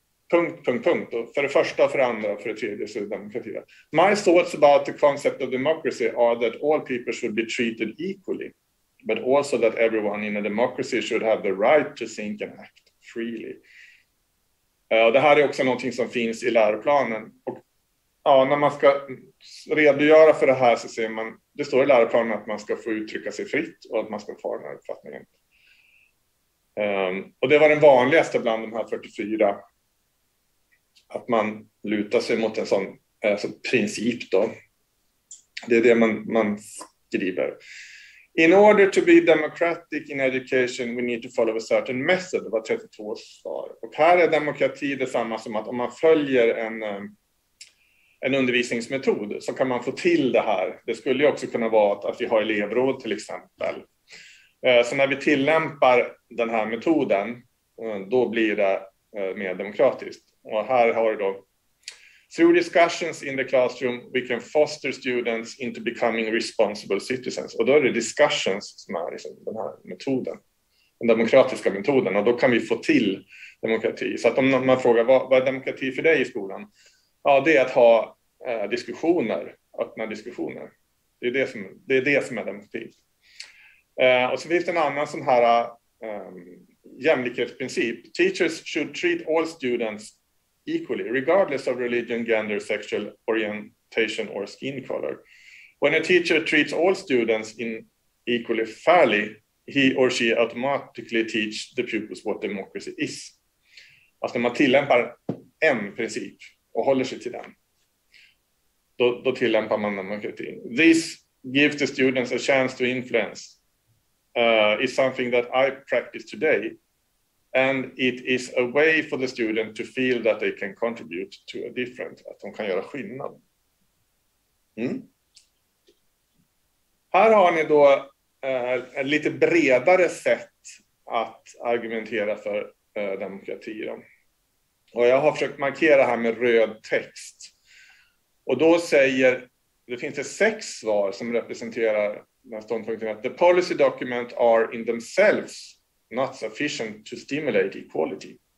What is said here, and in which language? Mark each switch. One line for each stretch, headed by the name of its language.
Swedish: Punkt, punkt, punkt. Och för det första, för det andra och för det tredje så är det demokrati.
English: My thoughts about the concept of democracy are that all people should be treated equally, but also that everyone in a democracy should have the right to think and act freely.
Swedish: Det här är också någonting som finns i läroplanen. Och ja, när man ska redogöra för det här så ser man, det står i läroplanen att man ska få uttrycka sig fritt och att man ska få den här uppfattningen. Och det var den vanligaste bland de här 44. Att man lutar sig mot en sån princip då. Det är det man skriver.
English: In order to be democratic in education, we need to follow a certain method.
Swedish: Det var 32 års svar. Och här är demokrati detsamma som att om man följer en undervisningsmetod så kan man få till det här. Det skulle ju också kunna vara att vi har elevråd till exempel. Så när vi tillämpar den här metoden, då blir det mer demokratiskt. Och här har du då,
English: through discussions in the classroom, we can foster students into becoming responsible citizens.
Swedish: Och då är det discussions som är liksom den här metoden, den demokratiska metoden. Och då kan vi få till demokrati. Så att om man frågar, vad är demokrati för dig i skolan? Ja, det är att ha diskussioner, öppna diskussioner. Det är det som är demokrati. Och så finns det en annan sån här jämlikhetsprincip.
English: Teachers should treat all students equally, regardless of religion, gender, sexual orientation or skin color. When a teacher treats all students in equally fairly, he or she automatically teaches the pupils what democracy is.
Swedish: Alltså när man tillämpar en princip och håller sig till den, då tillämpar man demokrati.
English: This gives the students a chance to influence. Is something that I practice today, and it is a way for the student to feel that they can contribute to a different,
Swedish: att de kan göra skillnad. Här har ni då ett lite bredare sätt att argumentera för demokrati då. Och jag har försökt markera här med röd text, och då säger det finns det 6 svar som representerar att
English: the policy document are in themselves not sufficient to stimulate equality.